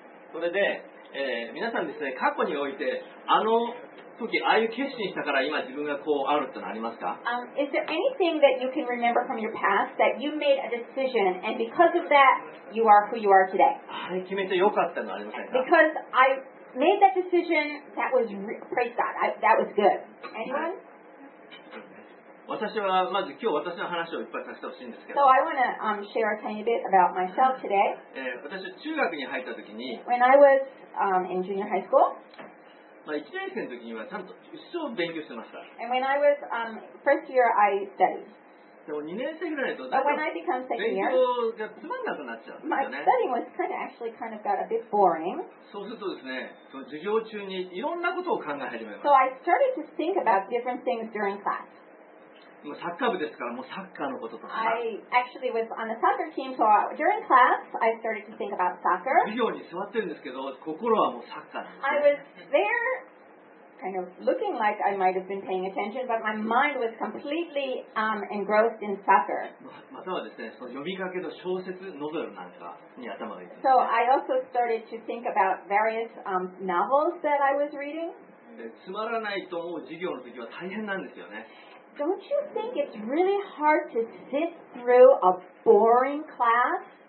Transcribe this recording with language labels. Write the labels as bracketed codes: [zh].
[ja] それで、皆さんですね、過去においてあの時ああいう決心したから今自分がこうあるってのありますか？ [en] Is there anything that you can remember from your past that you made a decision and because of that you are who you are today? [ja] あれ決めてよかったのありませんか？ [en] Because I made that decision that was praise God, that was good. Anyone? [ja] 私はまず今日私の話をいっぱいさせてほしいんですけど。 [en] So I want to share a tiny bit about myself today. [ja] 私は中学に入った時に、 [en] When I was in junior high school, [ja] 1年生の時にはちゃんと一生勉強してました。 [en] And when I was first year, I studied. [ja] でも2年生ぐらいだと、 [en] But when I become second year, [ja] 勉強がつまんなくなっちゃうんですよね。 [en] My studying was kind of got a bit boring. [ja] そうするとですね、その授業中にいろんなことを考え始めます。 [en] So I started to think about different things during class. [ja] もうサッカー部ですから、もうサッカーのこととか。 [en] I actually was on the soccer team, so during class, I started to think about soccer. [ja] 授業に座ってるんですけど、心はもうサッカーなんです。 [en] I was there, kind of looking like I might have been paying attention, but my mind was completely engrossed in soccer. [ja] またはですね、その読みかけの小説、ノベルなんかに頭がいく。 [en] So I also started to think about various novels that I was reading. [ja] で、つまらないと思う授業の時は大変なんですよね。 [en] Don't you think it's really hard to sit through a boring class?